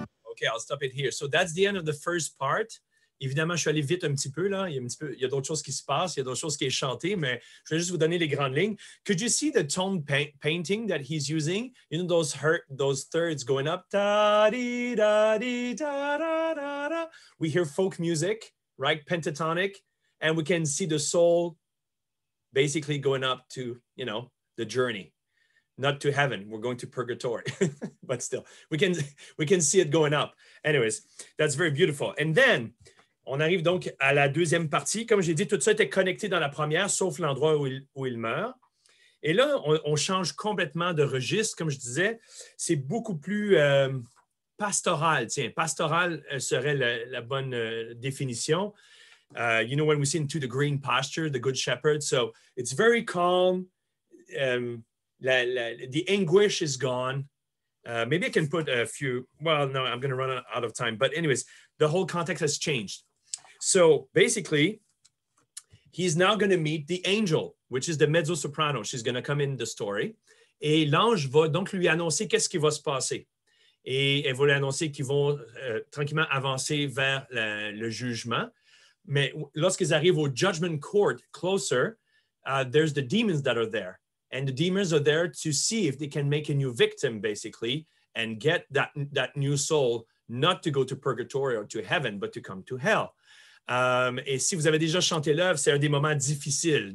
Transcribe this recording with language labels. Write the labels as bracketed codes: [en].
[en] Okay, I'll stop it here. So that's the end of the first part. [fr] Évidemment, je suis allé vite un petit peu là. Il y a d'autres choses qui se passent. Il y a d'autres choses qui est chantées, mais je vais juste vous donner les grandes lignes. [en] Could you see the tone painting that he's using? You know those thirds going up. Ta di da di da da da da. We hear folk music, right? Pentatonic, and we can see the soul basically going up to, you know, the journey. Not to heaven, we're going to purgatory, but still, we can see it going up. Anyways, that's very beautiful. And then, [fr] on arrive donc à la deuxième partie. Comme j'ai dit, tout ça était connecté dans la première, sauf l'endroit où il meurt. Et là, on change complètement de registre, comme je disais. C'est beaucoup plus pastoral. Tiens, pastoral serait la bonne définition. [en] You know, when we see into the green pasture, the good shepherd. So, it's very calm. The anguish is gone. Maybe I can put a few. Well, no, I'm going to run out of time. But anyways, the whole context has changed. So basically, he's now going to meet the angel, which is the mezzo-soprano. She's going to come in the story. [fr] Et l'ange va donc lui annoncer qu'est-ce qui va se passer. Et elle va lui annoncer qu'ils vont tranquillement avancer vers le jugement. Mais lorsqu'ils arrivent au [en] judgment court closer, there's the demons that are there. And the demons are there to see if they can make a new victim, basically, and get that new soul not to go to purgatory or to heaven, but to come to hell. [fr] Et si vous avez déjà chanté l'œuvre, c'est un des moments difficiles.